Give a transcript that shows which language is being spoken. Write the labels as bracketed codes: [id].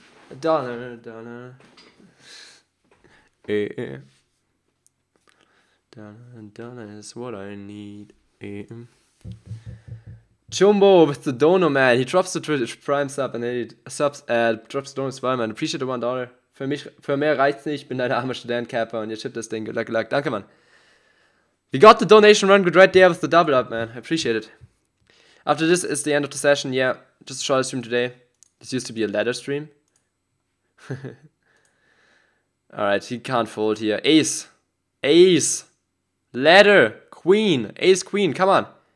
[en] Donner, donner. Eh, eh. Donner, donner is what I need. Eh. Jumbo with the donor, man. He drops the Twitch Prime sub and then he subs, drops the donor as well, man. Appreciate the $1. [de] Für mich, für mehr reicht's nicht. Ich bin deine arme Student-Capper und ihr shippt das Ding. [en] Good luck, good luck. [de] Danke, man. [en] We got the donation run good right there with the double up, man. I appreciate it. After this is the end of the session. Yeah, just a short stream today. This used to be a ladder stream. Alright, he can't fold here. Ace. Ace. Ladder. Queen. Ace, queen. Come on.